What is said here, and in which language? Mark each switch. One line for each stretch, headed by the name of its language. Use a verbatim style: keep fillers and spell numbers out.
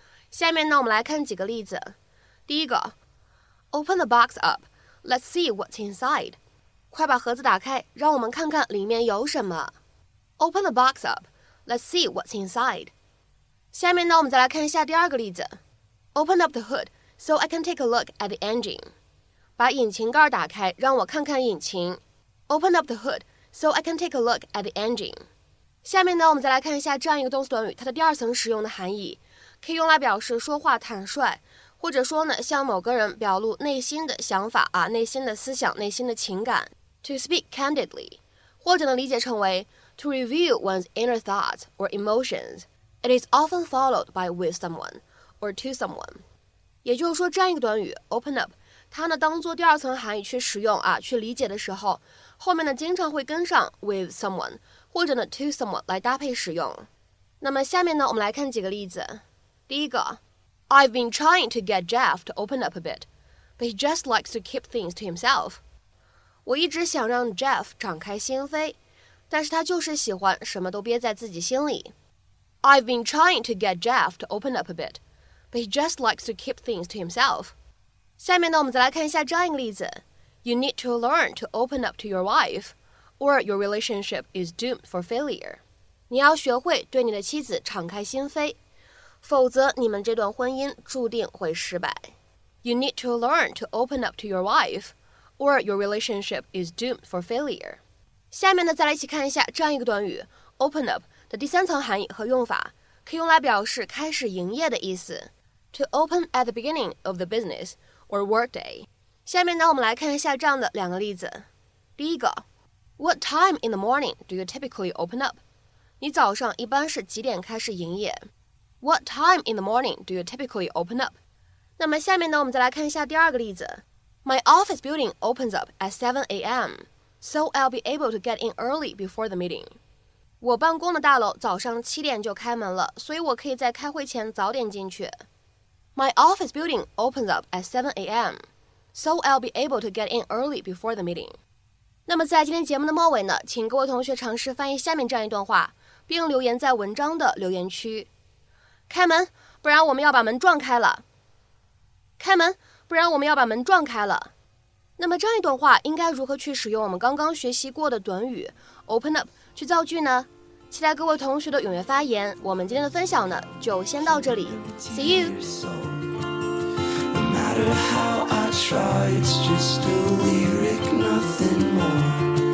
Chinese: 下面呢我们来看几个例子。第一个
English: ，Open the box up。Let's see what's inside.
Chinese: 快把盒子打开，让我们看看里面有什么。
English: Open the box up. Let's see what's inside.
Chinese: 下面呢，我们再来看一下第二个例子。
English: Open up the hood so I can take a look at the engine.
Chinese: 把引擎盖打开，让我看看引擎。
English: Open up the hood so I can take a look at the engine.
Chinese: 下面呢，我们再来看一下这样一个动词短语，它的第二层使用的含义，可以用来表示说话坦率。或者说呢，向某个人表露内心的想法啊，内心的思想，内心的情感 ，
English: to speak candidly，
Chinese: 或者能理解成为
English: to reveal one's inner thoughts or emotions. It is often followed by with someone or to someone.
Chinese: 也就是说，这样一个短语 open up， 它呢当做第二层含义去使用啊，去理解的时候，后面呢经常会跟上
English: with someone
Chinese: 或者呢
English: to someone
Chinese: 来搭配使用。那么下面呢，我们来看几个例子。第一个。
English: I've been trying to get Jeff to open up a bit, but he just likes to keep things to himself.
Chinese: 我一直想让 Jeff 敞开心扉，但是他就是喜欢什么都憋在自己心里。
English: I've been trying to get Jeff to open up a bit, but he just likes to keep things to himself.
Chinese: 下面呢，我们再来看一下这样一个例子。
English: You need to learn to open up to your wife, or your relationship is doomed for failure.
Chinese: 你要学会对你的妻子敞开心扉。否则你们这段婚姻注定会失败。
English: You need to learn to open up to your wife, or your relationship is doomed for failure.
Chinese: 下面呢，再来一起看一下这样一个短语 open up 的第三层含义和用法，可以用来表示开始营业的意思
English: to open at the beginning of the business or workday.
Chinese: 下面呢，我们来看一下这样的两个例子。第一个
English: What time in the morning do you typically open up?
Chinese: 你早上一般是几点开始营业？
English: What time in the morning do you typically open up?
Chinese: 那么下面呢，我们再来看一下第二个例子。
English: My office building opens up at seven a.m. so I'll be able to get in early before the meeting.
Chinese: 我办公的大楼早上七点就开门了，所以我可以在开会前早点进去。
English: My office building opens up at seven a.m. so I'll be able to get in early before the meeting.
Chinese: 那么在今天节目的末尾呢，请各位同学尝试翻译下面这样一段话，并留言在文章的留言区。开门，不然我们要把门撞开了。开门，不然我们要把门撞开了。那么这样一段话应该如何去使用我们刚刚学习过的短语 open up 去造句呢？期待各位同学的踊跃发言。我们今天的分享呢就先到这里
English: See you! No matter how I try, it's just a lyric, nothing more.